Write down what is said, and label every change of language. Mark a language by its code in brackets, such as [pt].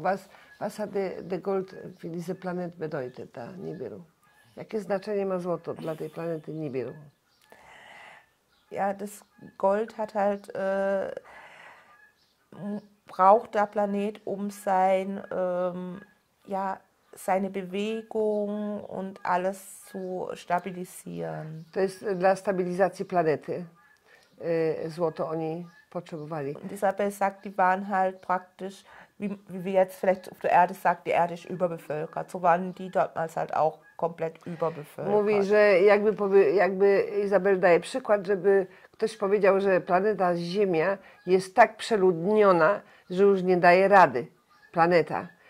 [de] Was hat de Gold für diese Planet bedeutet, ta Nibiru? [pl] Jakie znaczenie ma złoto dla tej planety Nibiru? [de] Ja, das Gold hat halt... braucht der Planet um sein ja seine Bewegung und alles zu stabilisieren. [pl] To jest dla stabilizacji planety. Złoto oni potrzebowali. [de] Und Isabel sagt, die waren halt praktisch, wie wir jetzt vielleicht auf der Erde sagt, die Erde ist überbevölkert. So waren die damals halt auch komplett überbevölkert. [pl] Mówi, że jakby Isabel daje przykład, żeby ktoś powiedział, że planeta Ziemia jest tak przeludniona, że już nie daje rady planeta.